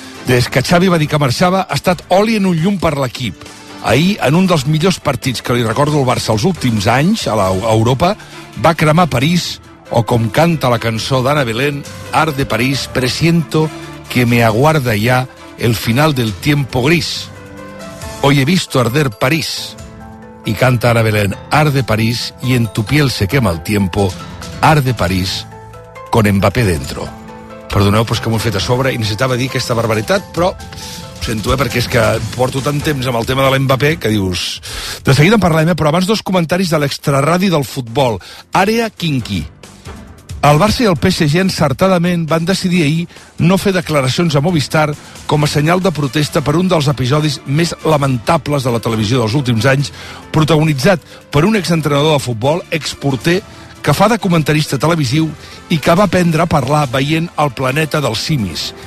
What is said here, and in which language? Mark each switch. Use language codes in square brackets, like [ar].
[ca] Des que Xavi va dir que marxava, ha estat oli en un llum per l'equip. Ahir, en un dels millors partits que li recordo al Barça els últims anys, a Europa, va cremar París, o com canta la cançó d'Anna Belén, Art de París, [es] presiento que me aguarda ya el final del tiempo gris. Hoy he visto arder París. [ca] I canta Anna Belén, [es] Art de París, y en tu piel se quema el tiempo, Art de París, con Mbappé dentro. [ca] Perdoneu, però és que m'ho he fet a sobre i necessitava dir aquesta barbaritat, però ho sento, perquè és que porto tant temps amb el tema de l'Mbappé que dius... De seguida en parlem, però abans dos comentaris de l'extraradi del futbol. Àrea Kinky. El Barça i el PSG encertadament van decidir ahir no fer declaracions a Movistar com a senyal de protesta per un dels episodis més lamentables de la televisió dels últims anys, protagonitzat per un exentrenador de futbol, exporter, que fa de comentarista televisiu i que va aprendre a parlar veient el planeta dels simis.